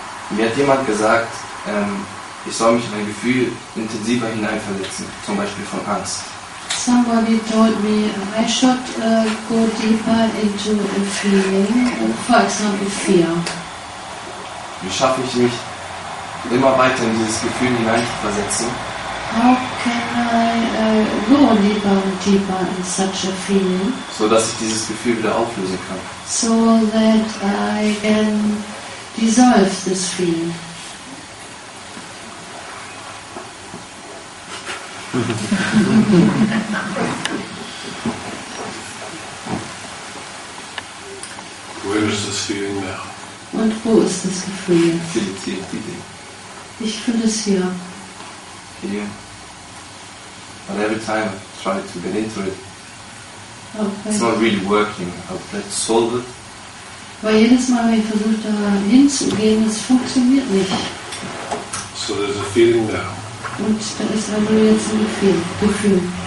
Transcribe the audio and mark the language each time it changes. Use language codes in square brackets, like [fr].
[de] Mir hat jemand gesagt, ich soll mich in ein Gefühl intensiver hineinversetzen, zum Beispiel von Angst. [en] Somebody told me I should go deeper into a feeling, for example fear. [de] Wie schaffe ich mich immer weiter in dieses Gefühl hineinzuversetzen? [en] How can I go deeper and deeper in such a feeling? [de] So dass ich dieses Gefühl wieder auflösen kann. [en] So that I can dissolve this feeling. Where is this feeling now? [de] Und wo ist das Gefühl jetzt? Ich fühle es hier. Ich fühle es hier. Hier. [en] But every time I try to get into it, okay. It's not really working. I'll try to solve it. [de] Weil jedes Mal, wenn ich versuche, da hinzugehen, es funktioniert nicht. [en] So there's a feeling now. [de] Und da ist aber jetzt ein Gefühl. Gefühl.